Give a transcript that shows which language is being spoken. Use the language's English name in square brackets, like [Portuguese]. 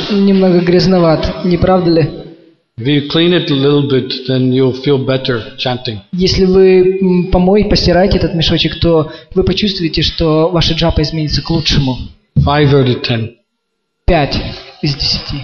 [Russian] Немного грязноват, не правда ли? [English] If you clean it a little bit, then you'll feel better chanting. [Russian] Если вы помоете, постираете этот мешочек, то вы почувствуете, что ваша джапа изменится к лучшему. [English] 5 out of 10. [Russian] 5 из 10.